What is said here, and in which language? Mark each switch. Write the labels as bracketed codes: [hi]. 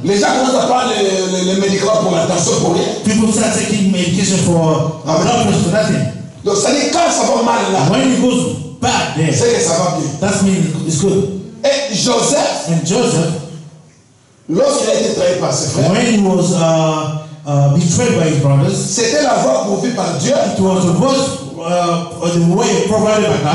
[fr] Les gens commencent à prendre les médicaments pour la tension pour rien. [en] People start taking medication for blood pressure for nothing. [fr] Donc ça dit quand ça va mal là. [en] When it goes bad then. [fr] C'est que ça va bien. [en] That means it's good. [fr] Et Joseph. [en] And Joseph. [fr] Lorsqu'il a été trahi par ses frères. [en] When he was betrayed by his brothers. [fr] C'était la voie prouvée par Dieu. [en] It was a voice. The way provided by God.